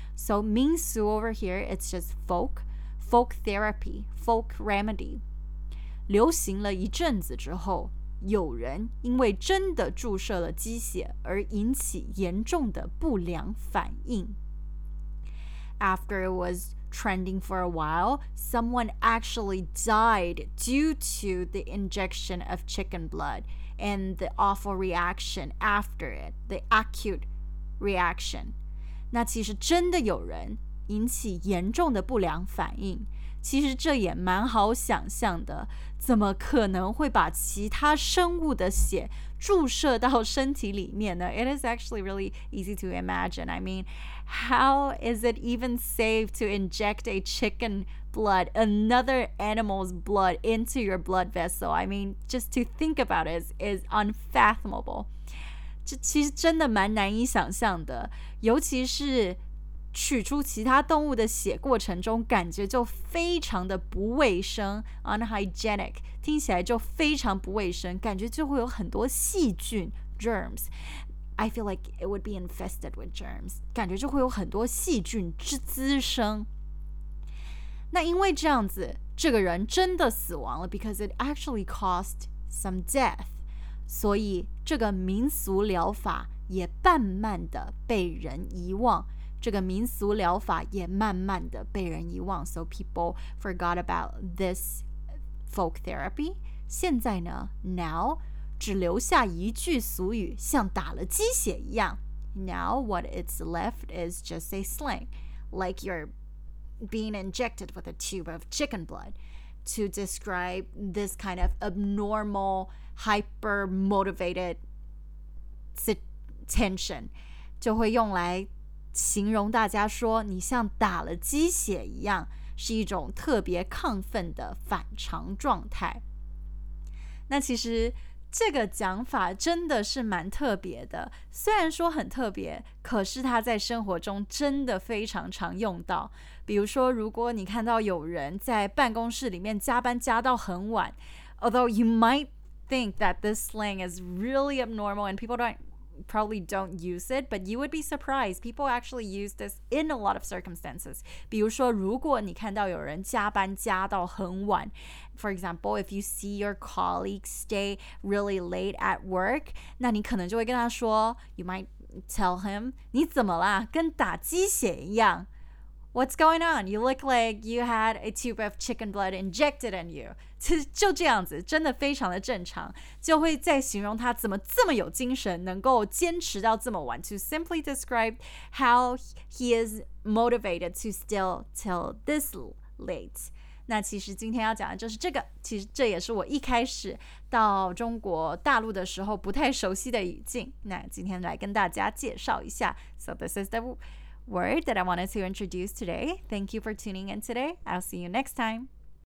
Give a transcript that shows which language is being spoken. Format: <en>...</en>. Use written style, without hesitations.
<en>So 民俗 over here it's just folk, folk therapy, folk remedy.</en> <zh>流行了一阵子之后，有人因为真的注射了鸡血而引起严重的不良反应。</zh> <en>After it was trending for a while, someone actually died due to the injection of chicken blood and the awful reaction after it, the acute reaction.</en> <zh>那其实真的有人引起严重的不良反应，其实这也蛮好想象的，怎么可能会把其他生物的血注射到身体里面呢？</zh> <en>It is actually really easy to imagine. I mean, how is it even safe to inject a chicken blood, another animal's blood into your blood vessel? I mean, just to think about it is unfathomable.</en> <zh>这其实真的蛮难以想象的，尤其是取出其他动物的血过程中感觉就非常的不卫生</zh> <en>unhygienic</en> <zh>听起来就非常不卫生，感觉就会有很多细菌</zh> <en>germs I feel like it would be infested with germs</en> <zh>感觉就会有很多细菌之滋生。那因为这样子这个人真的死亡了</zh> <en>because it actually caused some death</en> <zh>所以这个民俗疗法也慢慢的被人遗忘，这个民俗疗法也慢慢的被人遗忘。</zh> <en>So people forgot about this folk therapy.</en> <zh>现在呢</zh> <en>now</en> <zh>只留下一句俗语，像打了鸡血一样。</zh> <en>Now what is left is just a slang, like you're being injected with a tube of chicken blood to describe this kind of abnormal, hyper-motivated tension.</en> <zh>就会用来形容大家说你像打了鸡血一样，是一种特别亢奋的反常状态。那其实这个讲法真的是蛮特别的，虽然说很特别，可是它在生活中真的非常常用到。比如说如果你看到有人在办公室里面加班加到很晚，</zh> <en>although you might think that this slang is really abnormal and people probably don't use it, but you would be surprised. People actually use this in a lot of circumstances.</en> <zh>比如说如果你看到有人加班加到很晚，</zh> <en>For example, if you see your colleague stay really late at work,</en> <zh>那你可能就会跟他说，</zh> <en>You might tell him,</en> <zh>你怎么啦？跟打鸡血一样。</zh> <en>What's going on? You look like you had a tube of chicken blood injected in you.</en> <zh>就这样子真的非常的正常，就会在形容他怎么这么有精神，能够坚持到这么晚，</zh> <en>to simply describe how he is motivated to still till this late.</en> <zh>那其实今天要讲的就是这个，其实这也是我一开始到中国大陆的时候不太熟悉的语境，那今天来跟大家介绍一下。</zh> <en>So this is the word that I wanted to introduce today. Thank you for tuning in today. I'll see you next time.</en>